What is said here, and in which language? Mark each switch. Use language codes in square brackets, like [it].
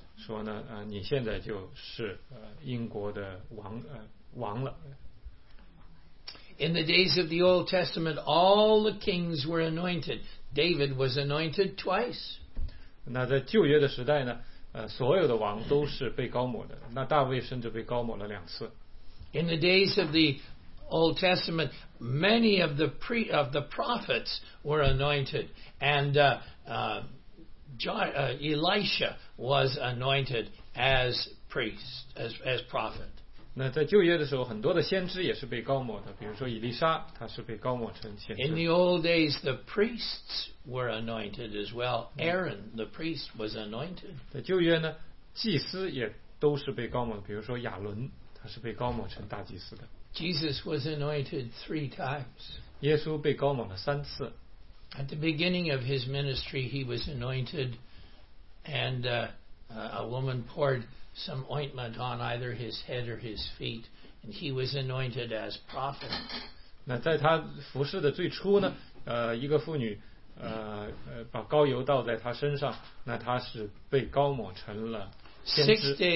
[zh] 说呢，你现在就是英国的王了。 [en] In the days of the Old Testament, all the kings were anointed. David was anointed twice. [zh] 那在旧约的时代呢，所有的王都是被膏抹的。那大卫甚至被膏抹了两次。 [en] In the days of the Old Testament, many of the prophets were anointed, and Elisha was anointed as priest, as prophet. [zh] 那在旧约的时候，很多的先知也是被膏抹的。比如说以利沙，他是被膏抹成先知。 [en] In the old days, the priests were anointed as well. Aaron, the priest, was anointed. [zh] 在旧约呢，祭司也都是被膏抹的。比如说亚伦，他是被膏抹成大祭司的。 [en] Jesus was anointed 3 times. [zh] 耶稣被膏抹了三次。 [en] At the beginning of his ministry, he was anointed, and a woman poured some ointment on either his head or his feet, and he was anointed as prophet. [zh] 那在他服事的最初呢，一个妇女把膏油倒在他身上，那他是被膏抹成了先知。